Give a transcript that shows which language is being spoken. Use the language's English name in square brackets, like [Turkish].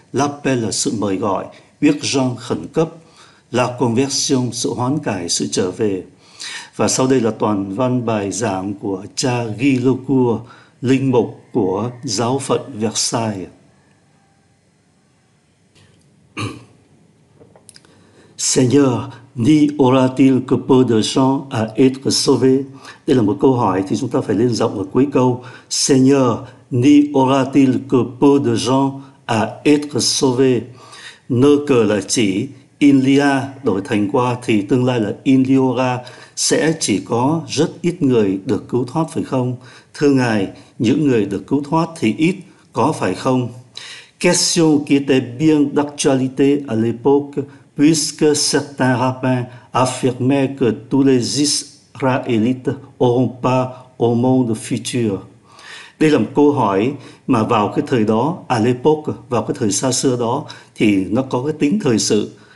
[French] L'appel [Vietnamese] là sự mời gọi, huyết răng khẩn cấp, [French] la conversion [Vietnamese] sự hoán cải, sự trở về. Và sau đây là toàn văn bài giảng của cha Guy Lacour, linh mục của giáo phận Versailles. [French] Seigneur, n'y aura-t-il que peu de gens à être sauvés? [Vietnamese] Đây là một câu hỏi thì chúng ta phải lên giọng ở cuối câu. [French] Seigneur, n'y aura-t-il que peu de gens à être sauvés? Ne que [Vietnamese] là chỉ, [French] il y a [Vietnamese] đổi thành qua thì tương lai là [French] il y aura, [Vietnamese] sẽ chỉ có rất ít người được cứu thoát phải không? Thưa Ngài, những người được cứu thoát thì ít, có phải không? [French] Question qui était bien d'actualité à l'époque, puisque certains rabbins affirmaient que tous les Israélites auront part au monde futur. [Vietnamese] Đây là một câu hỏi mà vào cái thời đó, [French] à l'époque, [Vietnamese] vào cái thời xa xưa đó, thì nó có cái tính thời sự.